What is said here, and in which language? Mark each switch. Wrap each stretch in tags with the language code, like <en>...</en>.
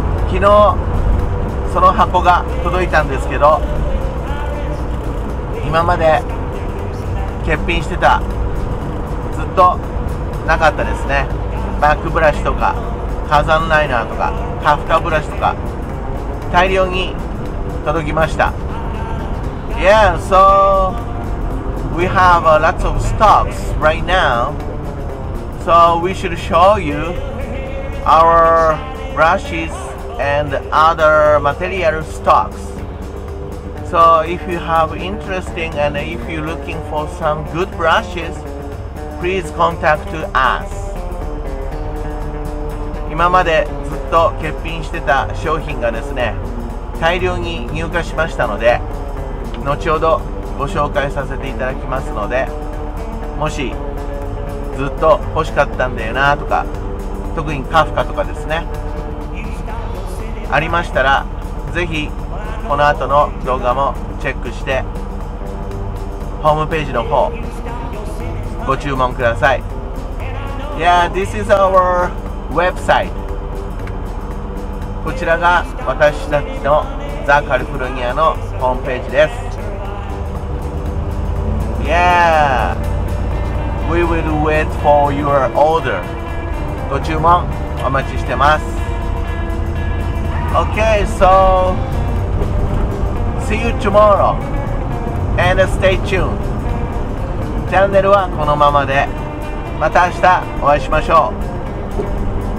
<ja>昨日その箱が届いたんですけど、今まで欠品してた、ずっとなかったですね。バックブラシとか火山ライナーとかカフカブラシとか大量に届きました。</ja> <en>Yeah, so we have lots of stocks right nowSo we should show you our brushes and other material stocks. So if you have interesting and if you're looking for some good brushes, please contact us.</en> <ja>今までずっと欠品してた商品がですね、大量に入荷しましたので、後ほどご紹介させていただきますので、もしずっと欲しかったんだよなとか、特にカフカとかですね、ありましたらぜひこの後の動画もチェックしてホームページの方ご注文ください。</ja> <en>Yeah, this is our website.</en> <ja>こちらが私たちのザ・カリフォルニアのホームページです。</ja> <en>YeahWe will wait for your order.</en> <ja>ご注文お待ちしてます。</ja> <en>Okay, so see you tomorrow and stay tuned.</en> <ja>チャンネルはこのままで、また明日お会いしましょう。</ja>